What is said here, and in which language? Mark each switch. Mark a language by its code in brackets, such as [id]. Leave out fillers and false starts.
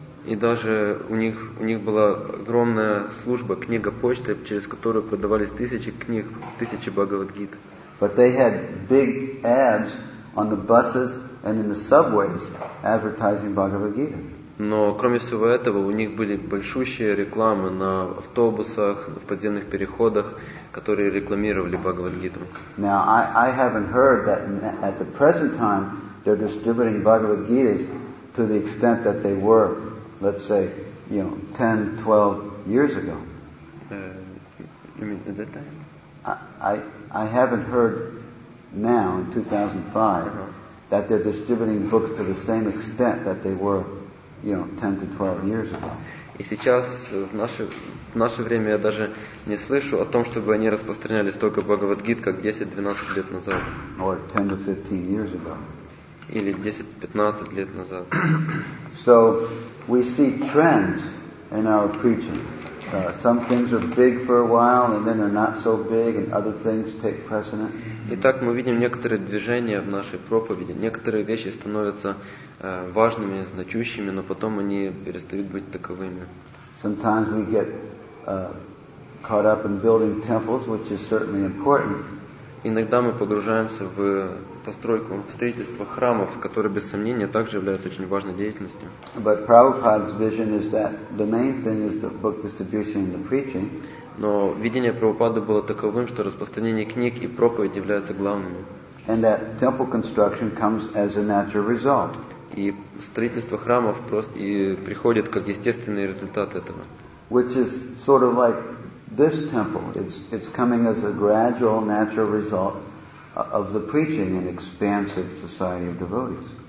[ru] И даже у них была огромная служба книгопочты, через которую продавались тысячи книг, тысячи Бхагавад-гит. [en] But they had big ads on the buses and in the subways advertising Bhagavad-gita. [ru] Но кроме всего этого, у них были большущие рекламы на автобусах, в подземных переходах, которые рекламировали Бхагавад-гиту. [en] Now I haven't heard that at the present time they're distributing Bhagavad-gitas to the extent that they were, let's say, you know, 10-12 years ago. You mean at that time? I haven't heard now in 2005 uh-huh. that they're distributing books to the same extent that they were, you know, 10-12 years ago. [ru] И сейчас в наше время я даже не слышу о том, чтобы они распространяли столько Бхагавад-гит, как 10-12 лет назад. [en] Or 10-15 years ago. [ru] Или 10-15 лет назад. [en] So we see trends in our preaching. Some things are big for a while, and then they're not so big, and other things take precedence. [ru] Итак, мы видим некоторые движения в нашей проповеди. Некоторые вещи становятся важными, значущими, но потом они перестают быть таковыми. [en] Sometimes we get caught up in building temples, which is certainly important. [ru] Иногда мы погружаемся в постройку, в строительство храмов, которые, без сомнения, также являются очень важной деятельностью. Но видение Прабхупады было таковым, что распространение книг и проповедь являются главными. [en] And that temple construction comes as a natural result. [ru] И строительство храмов просто и приходит как естественный результат этого. [en] Which is sort of like this temple, it's coming as a gradual natural result of the preaching and expansive society of devotees.